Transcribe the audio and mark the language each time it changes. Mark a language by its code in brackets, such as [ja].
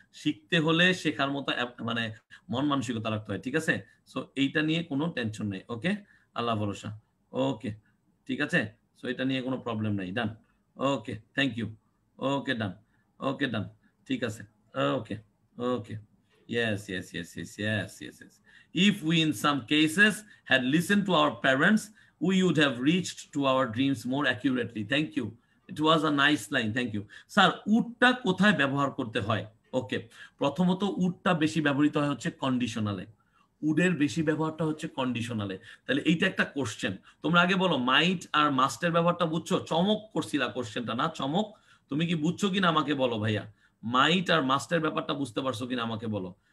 [bn] শিখতে হলে শেখার মতো মানে মন মানসিকতা রাখতে হয়, ঠিক আছে? সো এইটা নিয়ে কোনো টেনশন নেই, ওকে, আল্লাহ ভরসা, ওকে, ঠিক আছে? সো এটা নিয়ে কোনো প্রবলেম নেই, ডান, ওকে, থ্যাংক ইউ, ওকে ডান, ঠিক আছে, ওকে ওকে, yes yes yes yes yes yes yes. [en] If we in some cases had listened to our parents, we would have reached to our dreams more accurately. Thank you. It was a nice line. Thank you. [bn] Sir, উডটা কোথায় ব্যবহার করতে হয়? ওকে, প্রথমত উডটা বেশি ব্যবহৃত হয় হচ্ছে কন্ডিশনালে, উডের বেশি ব্যবহারটা হচ্ছে কন্ডিশনালে। তাহলে এইটা একটা কোশ্চেন, তোমরা আগে বলো মাইট আর মাস্টের ব্যবহারটা বুঝছো? চমক করছিলা কোশ্চেনটা, না চমক, তুমি কি বুঝছো কিনা আমাকে বলো ভাইয়া, মাইট আর মাস্টের ব্যাপারটা বুঝতে পারছো কিনা আমাকে বলো,